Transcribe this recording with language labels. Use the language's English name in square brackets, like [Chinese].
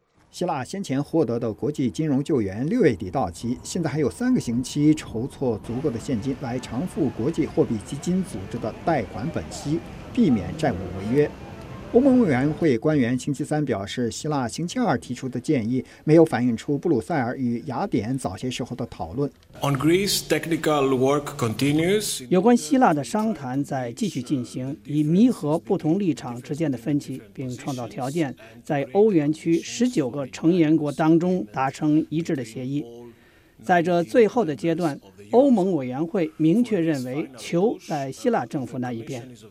[Chinese] 希腊先前获得的国际金融救援六月底到期，现在还有三个星期筹措足够的现金来偿付国际货币基金组织的贷款本息，避免债务违约。欧盟委员会官员星期三表示，希腊星期二提出的建议没有反映出布鲁塞尔与雅典早些时候的讨论。 [English] On Greece, technical work continues. [Chinese] 有关希腊的商谈在继续进行，以弥合不同立场之间的分歧，并创造条件在欧元区19个成员国当中达成一致的协议。在这最后的阶段，欧盟委员会明确认为球在希腊政府那一边。